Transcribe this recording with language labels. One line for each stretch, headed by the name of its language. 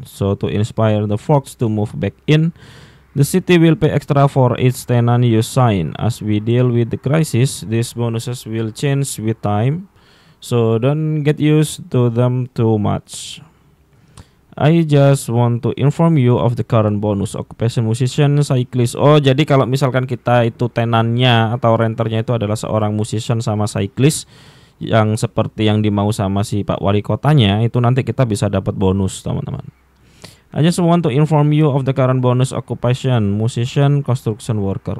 English: So to inspire the folks to move back in, the city will pay extra for each tenant you sign. As we deal with the crisis, these bonuses will change with time. So don't get used to them too much. I just want to inform you of the current bonus. Occupation musician, cyclist.
Indonesian: Oh, jadi kalau misalkan kita itu tenannya atau renternya itu adalah seorang musician sama cyclist, yang seperti yang dimau sama si Pak Wali Kotanya, itu nanti kita bisa dapat bonus, teman-teman.
English: I just want to inform you of the current bonus occupation, musician, construction worker.